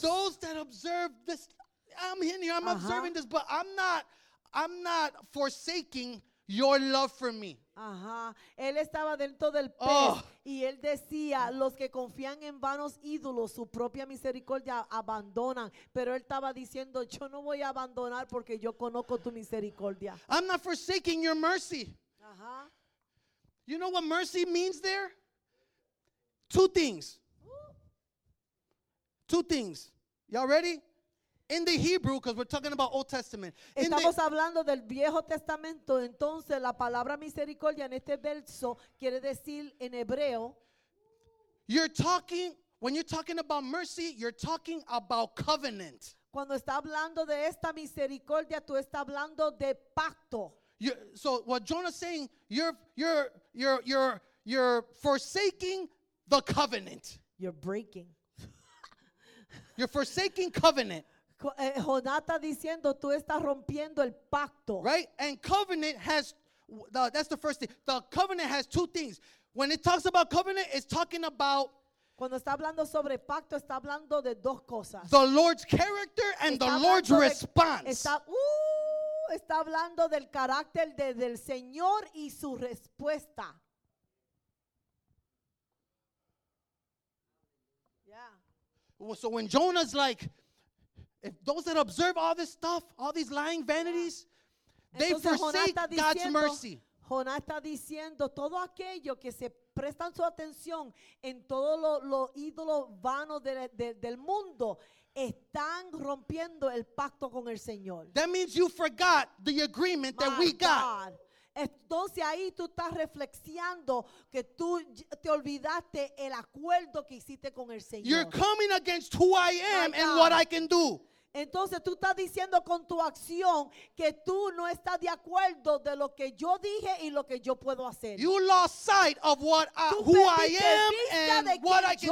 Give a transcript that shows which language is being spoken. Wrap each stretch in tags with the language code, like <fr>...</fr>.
<en>Those that observe this, I'm in here, I'm uh-huh. observing this, but I'm not forsaking your love for me.</en> <es>Ajá. Él estaba dentro del pez. Oh. Y él decía, los que confían en vanos ídolos, su propia misericordia abandonan. Pero él estaba diciendo, yo no voy a abandonar porque yo conozco tu misericordia.</es> <en>I'm not forsaking your mercy. Ajá. You know what mercy means there? Two things. Two things. Y'all ready? In the Hebrew, because we're talking about Old Testament.</en> <es>Estamos hablando del Viejo Testamento. Entonces, la palabra misericordia en este verso quiere decir en hebreo.</es> <en>When you're talking about mercy, you're talking about covenant.</en> <es>Cuando está hablando de esta misericordia, tú estás hablando de pacto.</es> <en>So what Jonah's saying, you're forsaking the covenant. You're breaking. You're forsaking covenant.</en> <es>Jonata diciendo, tú estás rompiendo el pacto.</es> <en>Right? And covenant has, that's the first thing. The covenant has two things. When it talks about covenant, it's talking about.</en> <es>Cuando está hablando sobre pacto, está hablando de dos cosas.</es> <en>The Lord's character and the Lord's response.</en> <es>Está hablando del carácter del Señor y su respuesta.</es> <en>Yeah. Well, so when Jonah's like, if those that observe all this stuff, all these lying vanities, they forsake God's mercy.</en> <es>Jonah está diciendo, todo aquello que se prestan su atención en todos los ídolos vanos del mundo, están rompiendo el pacto con el Señor.</es> <en>That means you forgot the agreement that we got.</en> <es>Entonces ahí tú estás reflexionando que tú te olvidaste el acuerdo que hiciste con el Señor.</es> <en>You're coming against who I am and what I can do.</en> <es>Entonces tú estás diciendo con tu acción que tú no estás de acuerdo de lo que yo dije y lo que yo puedo hacer.</es> <en>You lost sight of what who I am and what I can do.</en>